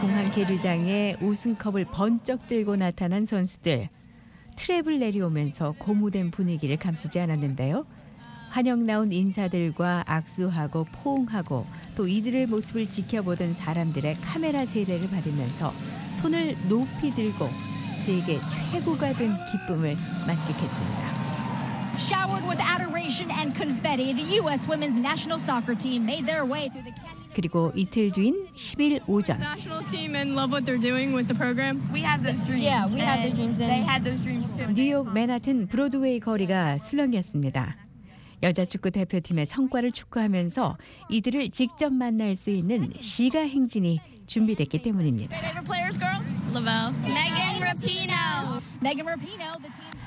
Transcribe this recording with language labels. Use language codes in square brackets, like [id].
[ko] 공항 계류장에 우승컵을 번쩍 들고 나타난 선수들 트랩을 내려오면서 고무된 분위기를 감추지 않았는데요. 환영 나온 인사들과 악수하고 포옹하고 또 이들의 모습을 지켜보던 사람들의 카메라 세례를 받으면서 손을 높이 들고. 세계 최고가 된 기쁨을 만끽했습니다. [en] Showered with adoration and confetti, the U.S. Women's National Soccer Team made their way through the. [ko] 그리고 이틀 뒤인 10일 오전. [en] National Team and love what they're doing with the program. We have the dreams. Yeah, we have the dreams. They had those dreams too. [ko] 뉴욕 맨하튼 브로드웨이 거리가 술렁였습니다. 여자 축구 대표팀의 성과를 축하하면서 이들을 직접 만날 수 있는 시가 행진이 준비됐기 때문입니다. [en] Megan Rapinoe, the team.